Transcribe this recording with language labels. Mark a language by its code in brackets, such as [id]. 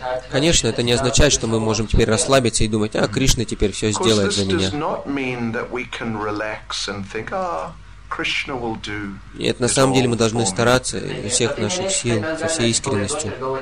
[ru] Конечно, это не означает, что мы можем теперь расслабиться и думать, а Кришна теперь все сделает за меня. [en] This does not mean that we can relax and think, Krishna will do. [ru] И это на самом деле мы должны стараться изо всех наших сил, со всей искренностью.